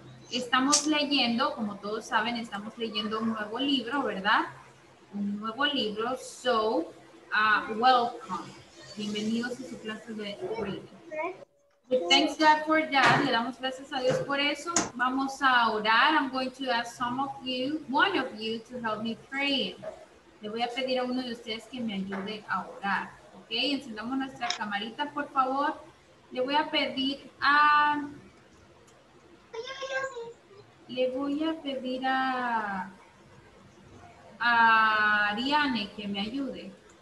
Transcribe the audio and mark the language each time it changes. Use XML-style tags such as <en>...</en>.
<es>Estamos leyendo, como todos saben, estamos leyendo un nuevo libro, ¿verdad? Un nuevo libro,</es> <en>so welcome,</en> <es>bienvenidos a su clase de reading.</es> <en>But thanks God for that,</en> <es>le damos gracias a Dios por eso. Vamos a orar.</es> <en>I'm going to ask one of you to help me pray.</en> <es>Le voy a pedir a uno de ustedes que me ayude a orar, ¿ok? Encendamos nuestra camarita, por favor. Le voy a pedir a... Le voy a pedir a Ariane que me ayude.</es>